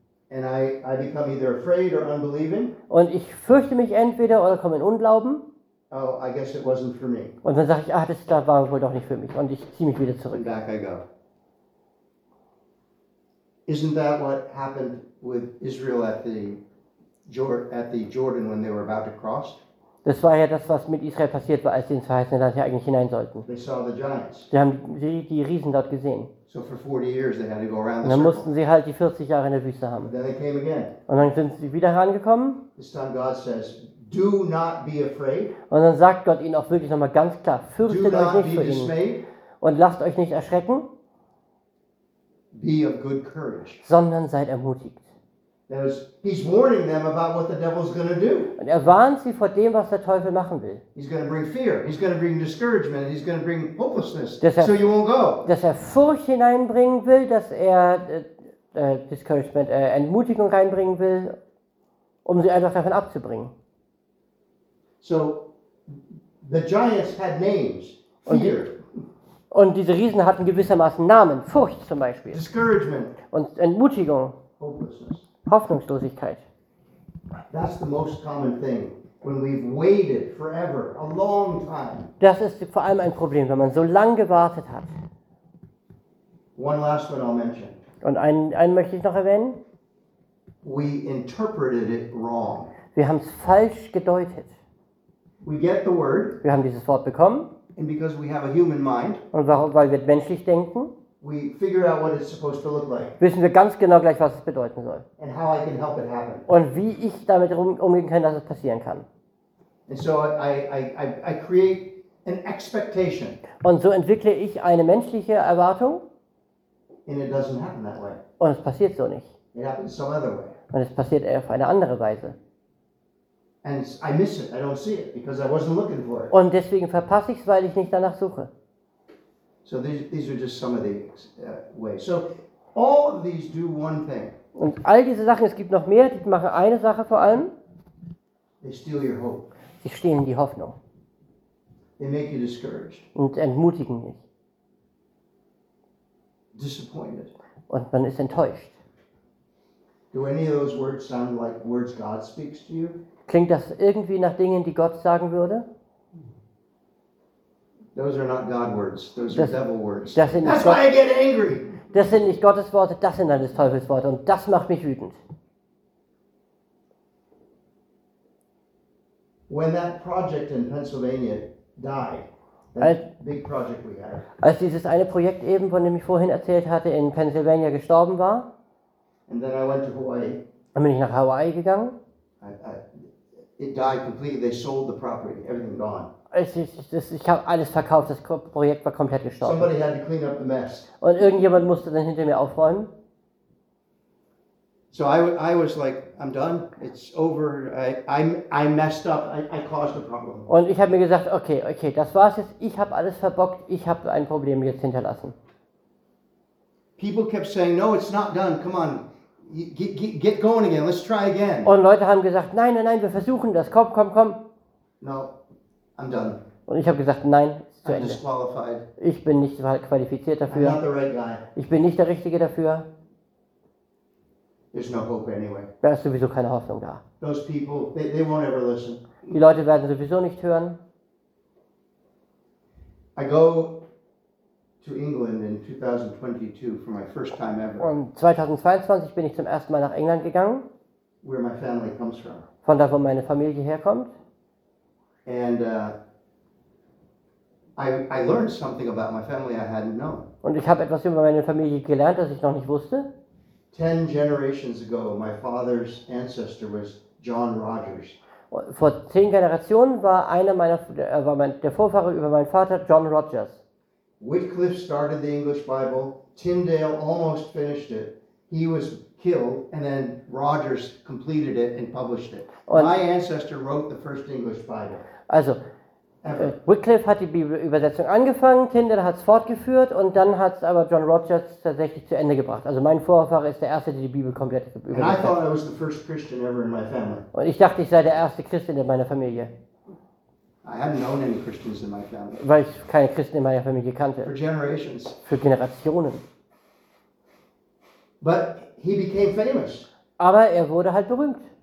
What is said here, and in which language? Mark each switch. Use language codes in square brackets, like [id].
[en] And I become either afraid or unbelieving. [de] Und ich fürchte mich entweder oder komme in Unglauben. [en] Oh, I guess it wasn't for me. [de] Und dann sage ich, ach, das war wohl doch nicht für mich. Und ich ziehe mich wieder zurück. [en] And back I go. Isn't that what happened with Israel at the Jordan when they were about to cross? [de] Das war ja das, was mit Israel passiert war, als sie ins verheißene Land eigentlich hinein sollten. [en] They saw the giants. [de] Sie haben die Riesen dort gesehen. [en] So for 40 years they had to go around the circle. [de] Dann mussten sie halt die 40 Jahre in der Wüste haben. [en] Then they came again. [de] Und dann sind sie wieder herangekommen. [en] This time God says, do not be afraid. [de] Und dann sagt Gott ihnen auch wirklich nochmal ganz klar, fürchtet euch nicht vor ihnen und lasst euch nicht erschrecken, [en] be of good courage, [de] sondern seid ermutigt. [en] He's warning them about what the devil's gonna do. [de] Und er warnt sie vor dem, was der Teufel machen will. [en] He's gonna bring fear, he's gonna bring discouragement, he's gonna bring hopelessness, so you won't go. [de] Dass er Furcht hineinbringen will, dass er discouragement, Entmutigung reinbringen will, um sie einfach davon abzubringen. [en] So The giants had names. Fear. [de] Und diese Riesen hatten gewissermaßen Namen. Furcht zum Beispiel. [en] Discouragement. [de] Und Entmutigung. [en] Hopelessness. [de] Hoffnungslosigkeit. [en] That's the most common thing when we've waited forever, a long time. [de] Das ist vor allem ein Problem, wenn man so lange gewartet hat. [en] One last one I'll mention. [de] Und einen möchte ich noch erwähnen. [en] We interpreted it wrong. [de] Wir haben es falsch gedeutet. [en] We get the word. [de] Wir haben dieses Wort bekommen. [en] And because we have a human mind. [de] Und weil wir menschlich denken. [en] We figure out what it's supposed to look like. [de] Wissen wir ganz genau gleich, was es bedeuten soll. [en] And how I can help it happen. [de] Und wie ich damit umgehen kann, dass es passieren kann. [en] And so I create an expectation. [de] Und so entwickle ich eine menschliche Erwartung. [en] And it doesn't happen that way. [de] Und es passiert so nicht. [en] It happens some other way. [de] Und es passiert auf eine andere Weise. [en] And I miss it. I don't see it because I wasn't looking for it. [de] Und deswegen verpasse ich es, weil ich nicht danach suche. [en] So these are just some of the ways. So all of these do one thing. [de] Und all diese Sachen, es gibt noch mehr, die machen eine Sache vor allem. [en] They steal your hope. [de] Sie stehlen die Hoffnung. [en] They make you discouraged. [de] Und entmutigen dich. [en] Disappointed. [de] Und man ist enttäuscht. [en] Do any of those words sound like words God speaks to you? [de] Klingt das irgendwie nach Dingen, die Gott sagen würde? [en] Those are not God words. Those are devil words. [de] Das sind nicht [en] That's why I get angry. [de] Das sind nicht Gottes Worte, das sind dann des Teufels Worte. Und das macht mich wütend. [en] When that project in Pennsylvania died, that big project we had. [de] Als dieses eine Projekt eben, von dem ich vorhin erzählt hatte, in Pennsylvania gestorben war. [en] And then I went to Hawaii. [de] Dann bin ich nach Hawaii gegangen. [en] It died completely. They sold the property. Everything gone. [de] Ich habe alles verkauft. Das Projekt war komplett gestorben. [en] Somebody had to clean up the mess. [de] Und irgendjemand musste dann hinter mir aufräumen. [en] So I was like, I'm done. It's over. I messed up. I caused a problem. [de] Und ich habe mir gesagt, okay, das war's jetzt. Ich habe alles verbockt. Ich habe ein Problem jetzt hinterlassen. [en] People kept saying, no, it's not done. Come on. Get going again. Let's try again. [de] Und Leute haben gesagt, nein, wir versuchen das. Komm. [en] No, I'm done. [de] Und ich habe gesagt, nein, zu [en] I'm [de] Ende. [en] Disqualified. [de] Ich bin nicht qualifiziert dafür. [en] I'm not the right guy. [de] Ich bin nicht der Richtige dafür. [en] There's no hope anyway. [de] Da ist sowieso keine Hoffnung da. [en] Those people, they won't ever listen. [de] Die Leute werden sowieso nicht hören. [en] I go to England in 2022 for my first time ever. [de] Und 2022 bin ich zum ersten Mal nach England gegangen. [en] Where my family comes from. [de] Von da, wo meine Familie herkommt. [en] And I learned something about my family I hadn't known. [de] Und ich habe etwas über meine Familie gelernt, das ich noch nicht wusste. [en] 10 generations ago, my father's ancestor was John Rogers. [de] Vor 10 Generationen war einer meiner der Vorfahre über meinen Vater John Rogers. [en] Wycliffe started the English Bible. Tyndale almost finished it. He was killed, and then Rogers completed it and published it. [de] Und [en] my ancestor wrote the first English Bible. Also, ever. [de] Wycliffe hat die Bibelübersetzung angefangen, Tyndale hat es fortgeführt, und dann hat es aber John Rogers tatsächlich zu Ende gebracht. Also mein Vorfahre ist der Erste, der die Bibel komplett übersetzt hat. [en] And I thought I was the first Christian ever in my family. [de] Und ich dachte, ich sei der erste Christ in meiner Familie. [en] I hadn't known any Christians in my family. [de] Weil ich keine Christen in meiner Familie kannte. [en] For generations. [de] Für Generationen. [en] But he became famous. [de] Aber er wurde halt berühmt.